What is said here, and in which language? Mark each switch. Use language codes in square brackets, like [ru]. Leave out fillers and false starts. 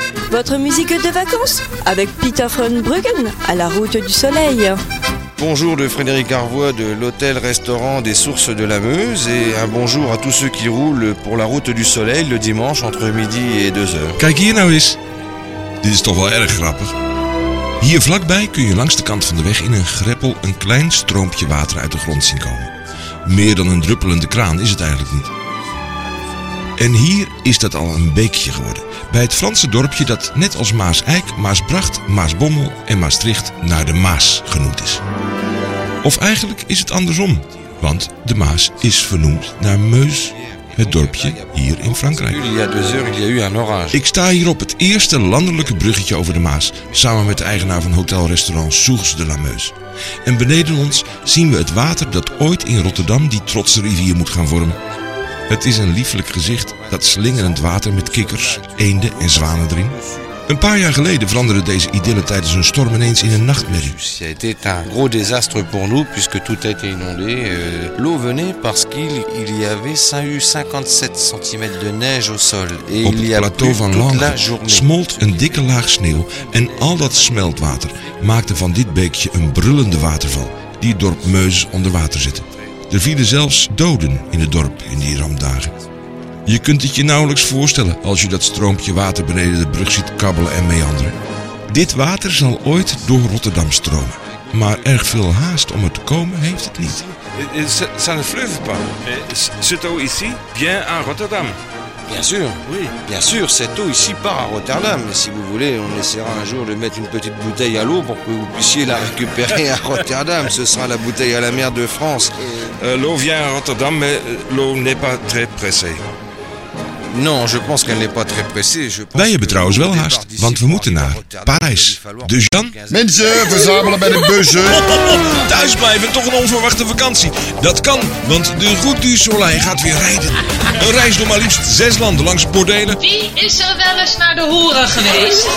[fr] Votre musique de vacances avec Peter von Bruggen à la route du soleil. bonjour de Frédéric Arvois de l'hôtel-restaurant des Sources de la Meuse et un bonjour à tous ceux qui roulent pour la route du soleil le dimanche entre midi et 2h. [nl] Kijk hier nou eens. Dit is toch wel erg grappig. Hier vlakbij kun je langs de kant van de weg in een greppel een klein stroompje water uit de grond zien komen. Meer dan een druppelende kraan is het eigenlijk niet. En hier is dat al een beekje geworden. Bij het Franse dorpje dat net als Maaseik, Maasbracht, Maasbommel en Maastricht naar de Maas genoemd is. Of eigenlijk is het andersom. Want de Maas is vernoemd naar Meuse, het dorpje hier in Frankrijk. Ik sta hier op het eerste landelijke bruggetje over de Maas. Samen met de eigenaar van hotelrestaurant Sources de la Meuse. En beneden ons zien we het water dat ooit in Rotterdam die trotse rivier moet gaan vormen. Het is een lieflijk gezicht, dat slingerend water met kikkers, eenden en zwanen erin. Een paar jaar geleden veranderde deze idylle tijdens een storm ineens in een nachtmerrie. Het was een groot désastre voor ons, [fr] puisque tout a été inondé. L'eau venait parce qu'il y avait 57 centimètres de neige au sol. [nl] Op het plateau van Langres smolt een dikke laag sneeuw en al dat smeltwater maakte van dit beekje een brullende waterval die het dorp Meuse onder water zette. Er vielen zelfs doden in het dorp in die rampdagen. Je kunt het je nauwelijks voorstellen als je dat stroompje water beneden de brug ziet kabbelen en meanderen. Dit water zal ooit door Rotterdam stromen. Maar erg veel haast om er te komen heeft het niet. Het zijn vleuvenpaal. [fr] Cette eau ici vient à Rotterdam. Bien sûr, oui. Bien sûr, cette eau ici part à Rotterdam. Si vous voulez, on essaiera un jour de mettre une petite bouteille à l'eau pour que vous puissiez la récupérer à Rotterdam. Ce sera la bouteille à la mer de France. L'eau vient à Rotterdam, mais l'eau n'est pas très pressée. Non, je pense qu'elle n'est pas très pressée. Je pense [nl] wij hebben trouwens wel haast, want we moeten naar Parijs. De Jean. Mensen, verzamelen bij de bussen. Thuis blijven, toch een onverwachte vakantie. Dat kan, want de Route du Soleil gaat weer rijden. Een reis door maar liefst 6 landen langs bordelen. Wie is er wel eens naar de hoeren geweest?